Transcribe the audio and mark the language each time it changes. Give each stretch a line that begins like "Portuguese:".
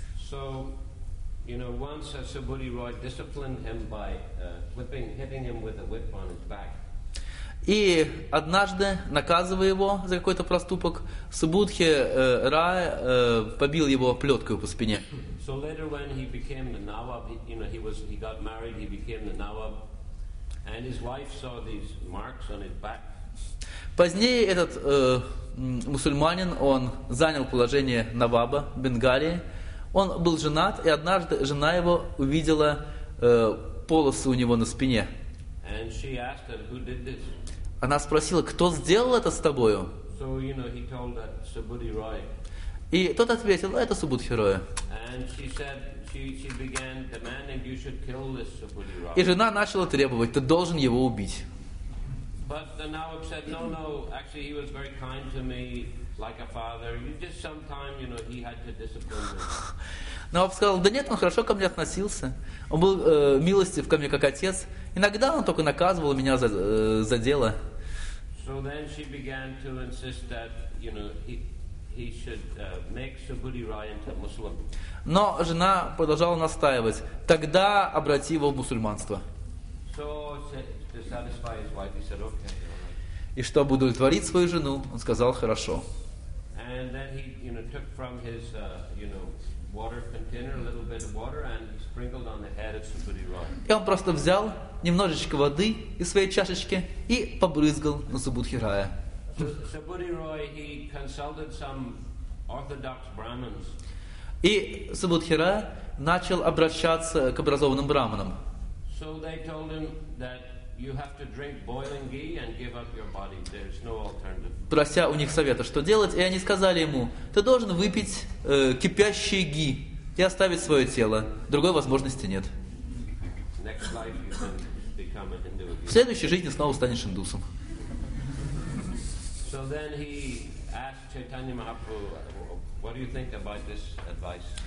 English: So, you know, once Subhuti Rai disciplined him by hitting him with a whip on his back.
Russian: И однажды, наказывая его за какой-то проступок, Субхути Рай побил его плеткой по спине.
English: So later when he became the Nawab, he got married, he became the Nawab, and his wife saw these marks on his back.
Russian: Позднее этот мусульманин, он занял положение Наваба Бенгалии. Он был женат, и однажды жена его увидела полосы у него на спине.
English: And she asked her, who did this?
Russian: Она спросила, кто сделал это с тобою?
English: So, you know, he told that Subhuti Rai.
Russian: И тот ответил, это Субхути Рай.
English: And she said, she began demanding you should kill this Subhuti Rai.
Russian: И жена начала требовать, ты должен его убить.
English: But the Nawab said, no, actually he was very kind to me, like a father. You just sometime, you know, he had to discipline me.
Russian: Наваб сказал, да нет, он хорошо ко мне относился. Он был милостив ко мне, как отец. Иногда он только наказывал меня за дело.
English: So then she began to insist that, you know, he should make Subhuti Rai into Muslim.
Russian: Но жена продолжала настаивать. Тогда обрати его в мусульманство.
English: So to satisfy his wife, he said, okay.
Russian: И чтобы удовлетворить свою жену, он сказал, хорошо.
English: And then he, you know, took from his, you know, water container, a little bit of water, and sprinkled on the head of Subhuti Rai.
Russian: И он просто взял немножечко воды из своей чашечки и побрызгал на Субхути Рая.
English: Subhuti Rai, he consulted some orthodox Brahmins.
Russian: И Субхути Рай начал обращаться к образованным браманам.
English: So they told him that you have to drink boiling ghee and give up your body. There's no alternative.
Russian: Прося у них совета, что делать, и они сказали ему, ты должен выпить кипящий ги и оставить свое тело. Другой возможности нет.
English: Next life you can become a Hindu.
Russian: В следующей жизни снова станешь индусом.
English: So then he asked Chaitanya Mahaprabhu, what do you think about this advice?